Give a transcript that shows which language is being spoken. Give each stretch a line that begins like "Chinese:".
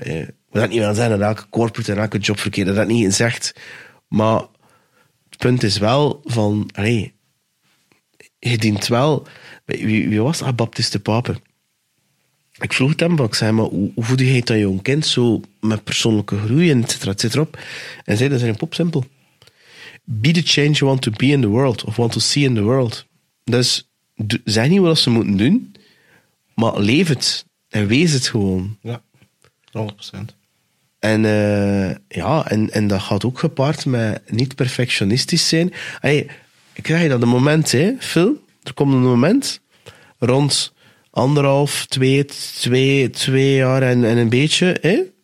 Dutch: Wat dat niet wil zeggen dat elke corporate en elke job verkeerd, dat niet zegt, maar het punt is wel van, allee, je dient wel. Wie was dat? Baptiste Pape. Ik vroeg het hem, maar ik zei, maar hoe voed je dat jong kind zo met persoonlijke groei, en et cetera, op. En zei, dat is een pop simpel.
English: Be the change you want to be in the world, of want to see in the world.
Dutch: Dus, zeg niet wat ze moeten doen, maar leef het. En wees het gewoon. Ja, 100%. En en dat gaat ook gepaard met niet perfectionistisch zijn. Hey, krijg je dat een moment, hè, Phil? Er komt een moment rond anderhalf, twee jaar en een beetje. Hè?